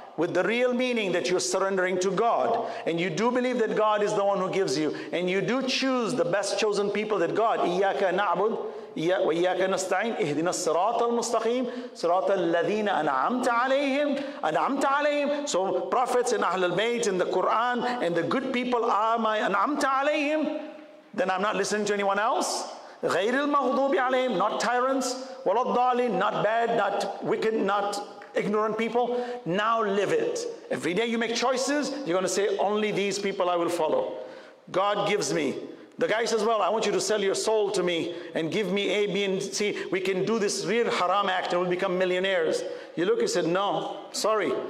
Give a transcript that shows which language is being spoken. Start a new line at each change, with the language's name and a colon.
English: with the real meaning that you're surrendering to God, and you do believe that God is the one who gives you, and you do choose the best chosen people that God,
Arabic: إِيَّاكَ نَعْبُدْ وَإِيَّاكَ نَسْتَعِينَ اِهْدِنَا الصِّرَاطَ الْمُسْتَقِيمَ صِرَاطَ الَّذِينَ أَنْعَمْتَ عَلَيْهِمْ.
English: So prophets and Ahlulbayt and the Quran and the good people are my
Arabic: أَنْعَمْتَ عَلَيْهِمْ.
English: Then I'm not listening to anyone else.
Arabic: غَيْرِ الْمَغْضُوبِ عَلَيْهِمْ,
English: not tyrants.
Arabic: وَلَا الضَّالِينَ,
English: not bad, not wicked, not ignorant people. Now live it. Every day you make choices, you're going to say, only these people I will follow. God gives me. The guy says, well, I want you to sell your soul to me and give me A, B, and C. We can do this real haram act and we'll become millionaires. You look, he said, no, sorry.